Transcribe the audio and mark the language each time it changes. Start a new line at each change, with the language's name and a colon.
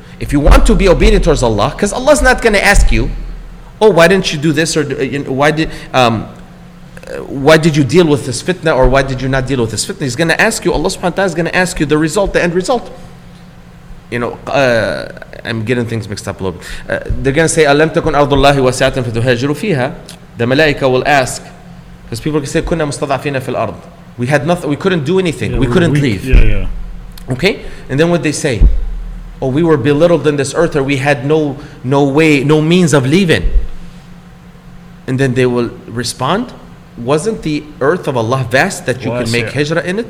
English: If you want to be obedient towards Allah, because Allah's not going to ask you, oh, why didn't you do this, or why did you deal with this fitna, or why did you not deal with this fitna? He's going to ask you, Allah subhanahu wa ta'ala is going to ask you the result, the end result. You know, I'm getting things mixed up a little bit. They're going to say,
Arabic: أَلَمْ تَكُنْ أَرْضُ اللَّهِ وَسِعَةً فَتُهَاجِرُ فِيهَا.
English: The malaika will ask, because people can say,
Arabic: كُنَّا مُسْتَضَعْفِينَ فِي الْأَرْضِ.
English: We had nothing, we couldn't do anything, yeah, we couldn't weak. Leave. Yeah. Okay? And then what they say? Oh, we were belittled in this earth, or we had no way, no means of leaving. And then they will respond, wasn't the earth of Allah vast that you can make hijrah in it?